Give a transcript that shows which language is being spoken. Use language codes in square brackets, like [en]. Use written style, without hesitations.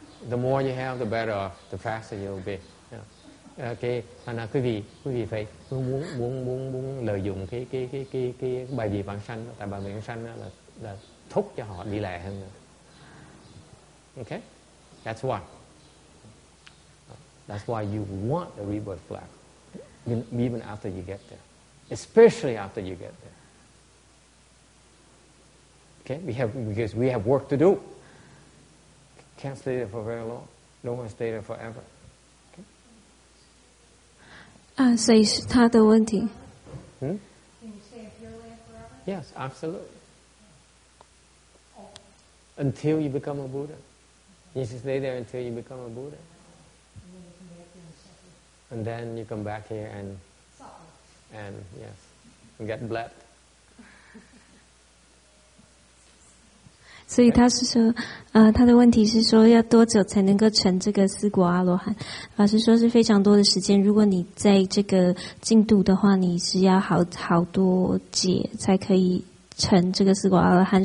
[en] The more you have, the better off, the faster you'll be. [vi] Ok, thành ra quý vị phải muốn lợi dụng cái bài vị bản sanh, tại bài vị bản sanh là thúc cho họ đi lẹ hơn nữa. [en] Ok, that's why you want the rebirth flag even after you get there, especially after you get there. Ok, because we have work to do. Can't stay there for very long. Don't want to stay there forever. [zh] 所以是他的问题。 [en] Yes, absolutely. Until you become a Buddha, you should stay there until you become a Buddha, and then you come back here and yes, and get blessed. [zh] 所以他是说，他的问题是说要多久才能够成这个四果阿罗汉？法师说是非常多的时间。如果你在这个进度的话，你是要好多劫才可以成这个四果阿罗汉。